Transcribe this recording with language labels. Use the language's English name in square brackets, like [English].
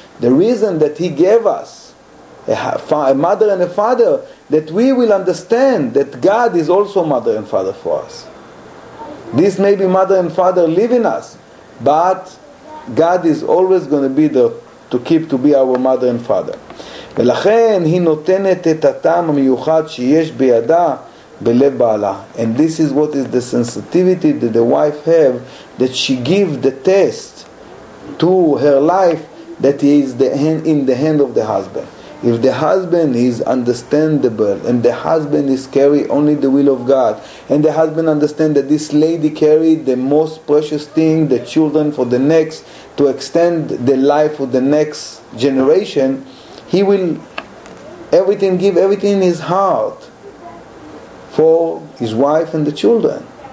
[English] The reason that he gave us a mother and a father, that we will understand that God is also mother and father for us. This may be mother and father leaving us, but God is always going to be there to keep to be our mother and father. [Hebrew] ולכן היא נותנת את הטעם המיוחד שיש בידה בלב בעלה. [English] And this is what is the sensitivity that the wife have, that she give the test to her life, that he is the hand, in the hand of the husband. If the husband is understandable, and the husband is carry only the will of God, and the husband understand that this lady carried the most precious thing, the children, for the next, to extend the life of the next generation, he will everything, give everything in his heart for his wife and the children.